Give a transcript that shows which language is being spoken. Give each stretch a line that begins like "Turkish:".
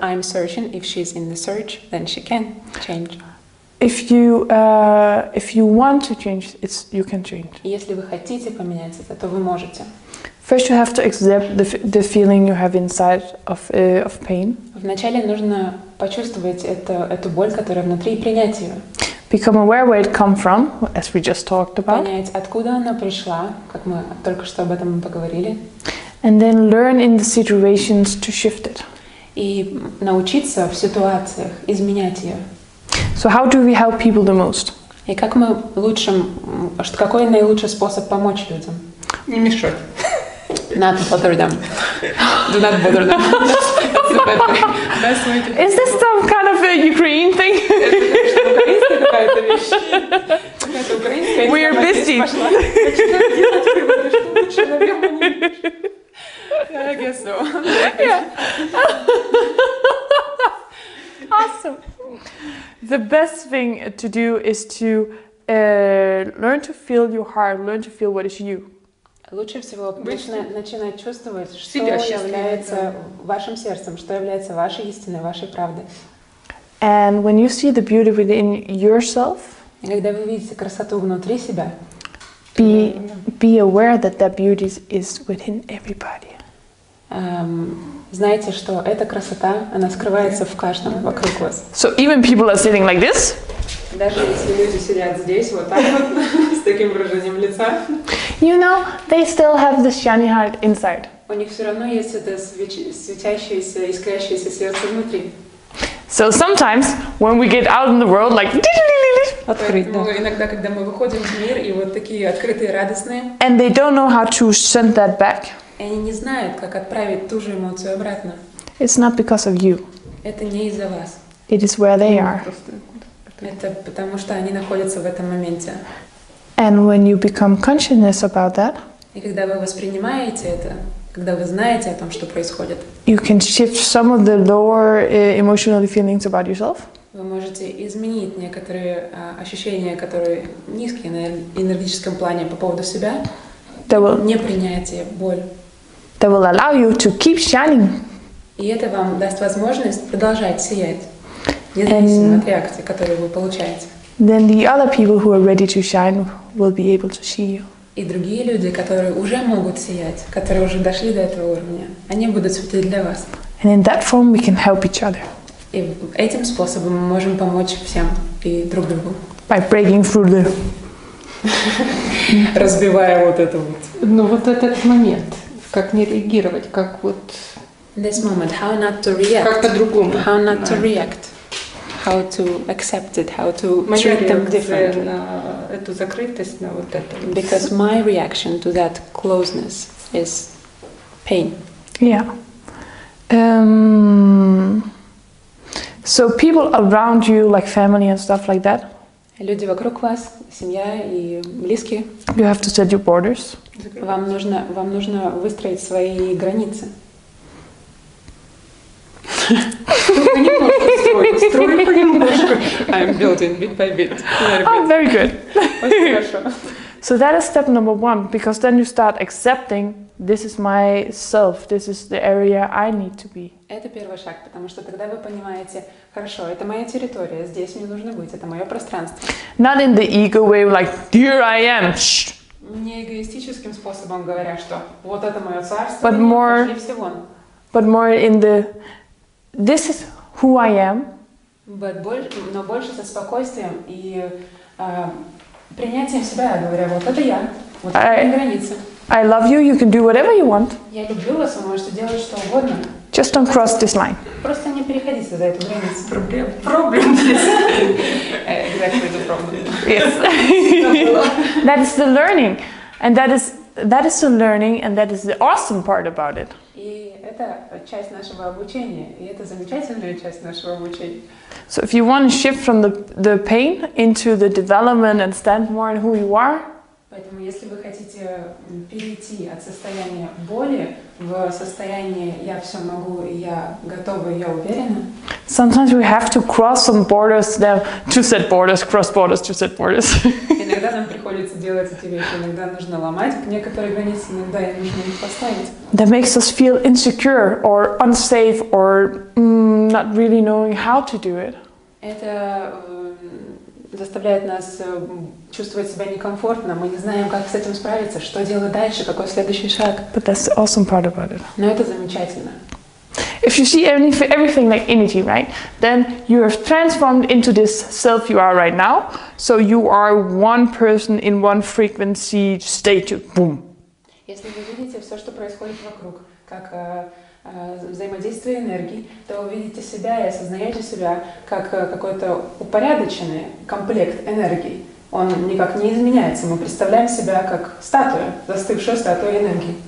English: If I'm searching, if she's in the search, then she can change. If you want to change, it's you can change.
Russian: Если вы хотите поменять это, то вы можете.
English: First, you have to accept the feeling you have inside of pain.
Russian: Вначале нужно почувствовать эту боль, которая внутри, и принять ее.
English: Become aware where it come from, as we just talked about.
Russian: Понять, откуда она пришла, как мы только что об этом поговорили.
English: And then learn in the situations to shift it.
Russian: И научиться в ситуациях изменять ее.
English: So how do we help people the most?
Russian: И как мы лучшим, какой наилучший способ помочь людям? Не мешать.
English: Not bother them. Do not bother them. That's a bad way. Best way to help. Is this some kind of a Ukraine thing? We are busy. I guess so. Yeah. Awesome. The best thing to do is to learn to feel your heart, learn to feel what is you.
Russian: Лучше всего начинать чувствовать, что является вашим сердцем, что является вашей истиной, вашей правдой.
English: And when you see the beauty within yourself,
Russian: и когда вы видите красоту внутри себя,
English: be aware that beauty is within everybody.
Russian: Знаете, что эта красота, она скрывается в каждом вокруг вас.
English: So even people are sitting like this.
Russian: Даже если люди сидят здесь вот так вот, с таким выражением лица.
English: You know, they still have this shiny heart inside.
Russian: У них все равно есть это светящееся, искрящееся сердце внутри.
English: So sometimes when we get out in the world, like
Russian: иногда, когда мы выходим в мир и вот такие открытые, радостные.
English: And they don't know how to send that back.
Russian: И они не знают, как отправить ту же эмоцию обратно.
English: It's not because of you.
Russian: Это не из-за вас.
English: It is where they are.
Russian: Это потому что они находятся в этом моменте.
English: And when you become conscious about that.
Russian: И когда вы воспринимаете это, когда вы знаете о том, что происходит.
English: You can shift some of the lower emotional feelings about yourself.
Russian: Вы можете изменить некоторые ощущения, которые низкие на энергетическом плане по поводу себя. Не принятие боли.
English: That will allow you to keep shining.
Russian: И это вам даст возможность продолжать сиять, независимо от реакции, которую вы получаете.
English: Then the other people who are ready to shine will be able to see you.
Russian: И другие люди, которые уже могут сиять, которые уже дошли до этого уровня, они будут светить для вас.
English: And in that form we can help each other.
Russian: И этим способом мы можем помочь всем и друг другу.
English: By breaking through the
Russian: разбивая вот это вот. Ну вот этот момент, как не реагировать, как вот.
English: This moment, how not to react.
Russian: Как по-другому.
English: How not to react. How to accept it. How to treat them differently.
Russian: На эту закрытость, на вот это.
English: Because my reaction to that closeness is pain. Yeah. So people around you, like family and stuff like that.
Russian: Люди вокруг вас, семья и близкие.
English: You have to set your borders.
Russian: Вам нужно выстроить свои границы.
English: I'm building bit by bit. Oh, very good. So that is step number one, because then you start accepting this is my self, this is the area I need to be.
Russian: Это первый шаг, потому что тогда вы понимаете, хорошо, это моя территория, здесь мне нужно быть, это мое пространство.
English: Not in the ego way, like, here I am.
Russian: Не эгоистическим способом говоря, что вот это мое царство,
English: but more,
Russian: пошли все вон.
English: But more in the, this is who I am.
Russian: Но больше со спокойствием и принятием себя, говоря, вот это я, вот это моя граница.
English: I love you, you can do whatever you want.
Russian: Я люблю вас, вы можете делать что угодно.
English: Just don't cross this line.
Russian: Просто не переходите за эту границу. Проблем.
English: Exactly the problem. Yes. That is the learning. And that is the learning, and that is the awesome part about it.
Russian: И это часть нашего обучения. И это замечательная часть нашего обучения.
English: So if you want to shift from the pain into the development and stand more in who you are,
Russian: поэтому если вы хотите перейти от состояния боли в состояние «я все могу, я готова, я уверена».
English: Sometimes we have to cross some borders, then to set borders, cross borders, to set borders.
Russian: Иногда нам приходится делать эти вещи, иногда нужно ломать некоторые границы, иногда их нужно их поставить.
English: That makes us feel insecure or unsafe or not really knowing how to do it.
Russian: Это заставляет нас чувствовать себя некомфортно. Мы не знаем, как с этим справиться, что делать дальше, какой следующий шаг.
English: But that's the awesome part about it.
Russian: Но это замечательно.
English: If you see everything like energy, right, then you have transformed into this self you are right now. So you are one person in one frequency state. Boom.
Russian: Если вы видите все, что происходит вокруг, как взаимодействие энергии, то увидите себя и осознаете себя как какой-то упорядоченный комплект энергии. Он никак не изменяется. Мы представляем себя как статую, застывшую статую энергии.